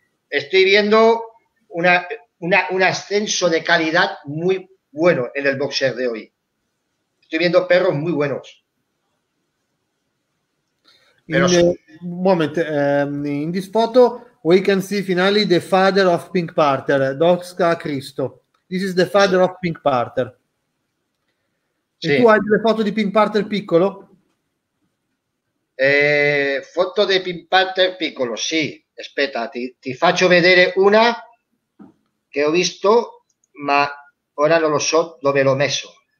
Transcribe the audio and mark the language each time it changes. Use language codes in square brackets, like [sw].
[es] Estoy viendo un ascenso de calidad muy bueno en el boxer de hoy. Estoy viendo perros muy buenos. [en] In this photo we can see finally the father of Pink Panther, Doska Cristo. This is the father of Pink Panther. [it] Sì. E tu hai le foto di Pink Panther piccolo? Foto di Pink Panther piccolo, sì. Aspetta, ti faccio vedere una che ho visto, ma ora non lo so dove l'ho messo.